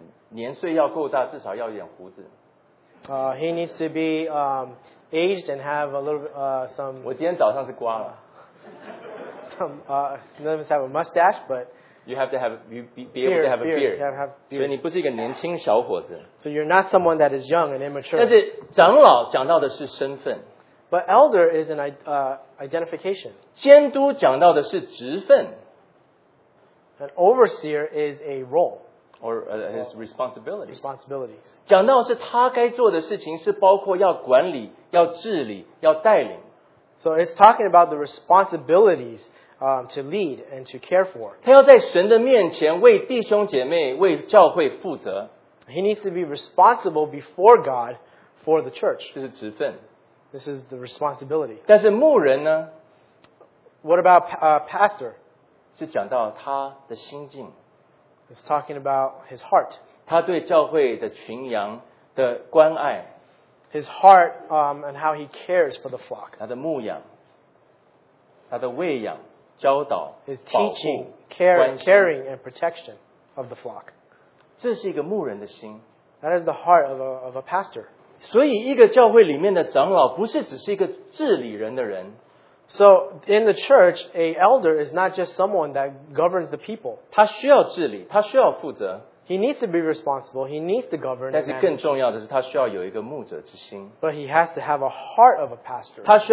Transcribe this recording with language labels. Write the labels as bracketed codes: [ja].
[zh] 年岁要够大，至少要一点胡子。 [en] He needs to be aged and have a little some. [zh] 我今天早上是刮了。 [en] some, none of us have a mustache, but you have to have, be able to have a beard. So you're not someone that is young and immature. [zh] 但是长老讲到的是身份。 [en] But elder is an identification. [zh] 监督讲到的是职分。 [en] An overseer is a role. Or his responsibilities. Responsibilities. [zh] 讲到是他该做的事情是包括要管理、要治理、要带领。 [en] So it's talking about the responsibilities to lead and to care for. [zh] 他要在神的面前为弟兄姐妹、为教会负责。 [en] He needs to be responsible before God for the church. [zh] 这是职分。 [en] This is the responsibility. [zh] 但是牧人呢? [en] What about pastor? [zh] 是讲到他的心境。 [en] It's talking about his heart. [zh] 他对教会的群羊的关爱。 [en] His heart and how he cares for the flock. [zh] 他的牧养, 他的喂养, 教导, [en] his teaching, care, caring, and protection of the flock. [zh] 这是一个牧人的心。 [en] That is the heart of a pastor. [zh] 所以一个教会里面的长老不是只是一个治理人的人。 [en] So in the church, a elder is not just someone that governs the people. [zh] 他需要治理, 他需要负责。 [en] He needs to be responsible. He needs to govern. [zh] 但是更重要的是他需要有一个牧者之心。 [en] But he has to have a heart of a pastor.